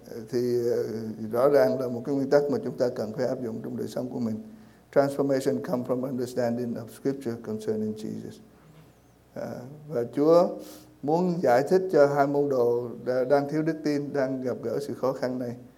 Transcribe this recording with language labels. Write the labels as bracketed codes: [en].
[vi] Thì rõ ràng là một cái nguyên tắc mà chúng ta cần phải áp dụng trong đời sống của mình. [en] Transformation comes from understanding of scripture concerning Jesus. [vi] Và Chúa muốn giải thích cho hai môn đồ đang thiếu đức tin, đang gặp gỡ sự khó khăn này.